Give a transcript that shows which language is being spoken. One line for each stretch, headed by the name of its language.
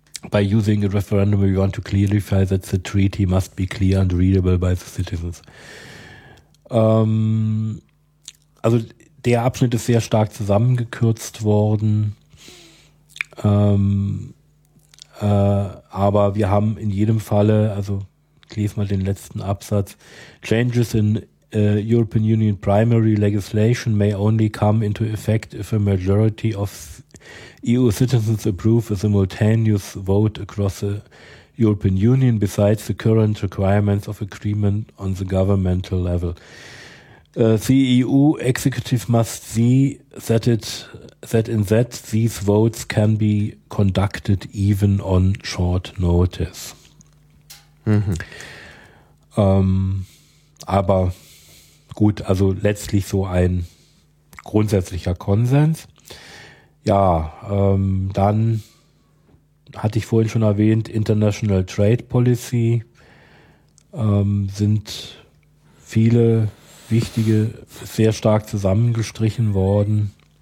English: By using a referendum, we want to clarify that the treaty must be clear and readable by the citizens.
German: Also der Abschnitt ist sehr stark zusammengekürzt worden. Aber wir haben in jedem Falle, also ich lese mal den letzten Absatz,
English: changes in European Union primary legislation may only come into effect if a majority of EU citizens approve a simultaneous vote across the European Union besides the current requirements of agreement on the governmental level. The EU executive must see that these votes can be conducted even on short notice.
German: Aber gut, also letztlich so ein grundsätzlicher Konsens. Ja, dann hatte ich vorhin schon erwähnt, International Trade Policy, sind viele wichtige, sehr stark zusammengestrichen worden.